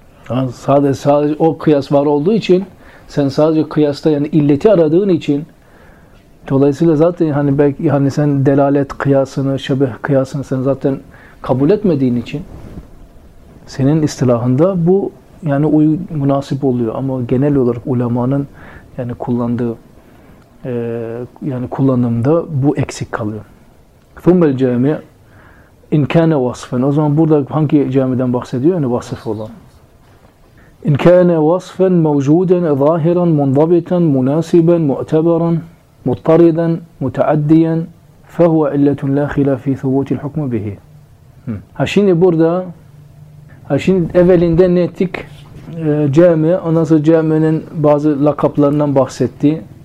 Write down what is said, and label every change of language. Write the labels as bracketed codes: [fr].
[tr] Yani sadece o kıyas var olduğu için sen sadece kıyasta yani illeti aradığın için dolayısıyla zaten hani belki hani sen delalet kıyasını, şebeh kıyasını sen zaten kabul etmediğin için senin istilahında bu yani münasip oluyor ama genel olarak ulemanın yani kullandığı yani kullanımda bu eksik kalıyor. [ar] ثُمَّ الْجَامِعُ اِنْ كَانَ وَصْفًا [tr] o zaman burada hangi camiden bahsediyor? Yani vasıf olan. [ar] اِنْ كَانَ وَصْفًا مَوْجُودًا ظَاهِرًا مُنْضَبِتًا مُنَاسِبًا مُؤْتَبَرًا مُطَّرِدًا مُتَعَدِّيًا فَهُوَ اِلَّتُنْ لَا خِلَافِ ثُبُوتِ الْحُكْمُ بِهِ [tr] Ha şimdi burada ha şimdi evvelinde ne ettik? Cami, ondan sonra caminin bazı lakaplarından bahsetti.